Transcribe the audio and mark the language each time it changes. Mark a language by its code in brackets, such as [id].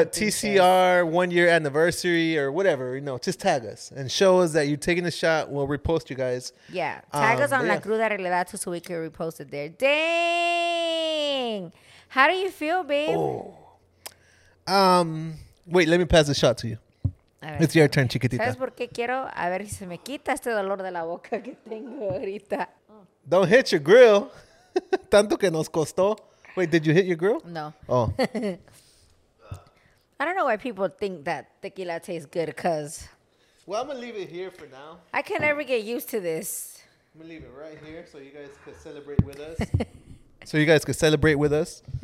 [en] But TCR 1 year anniversary or whatever, you know, just tag us and show us that you're taking a shot. We'll repost you guys. Yeah. Tag us on La Cruda Realidad too so we can repost it there. Dang. How do you feel, babe? Oh. Wait, let me pass the shot to you. Ver, it's your turn, chiquitita. [es] ¿Sabes por qué quiero? A ver si se me quita este dolor de la boca que tengo ahorita. [en] Don't hit your grill. [es] Tanto que nos costó. [en] Wait, did you hit your grill? No. Oh. I don't know why people think that tequila tastes good, because... Well, I'm going to leave it here for now. I can never get used to this. I'm going to leave it right here so you guys can celebrate with us. So you guys can celebrate with us.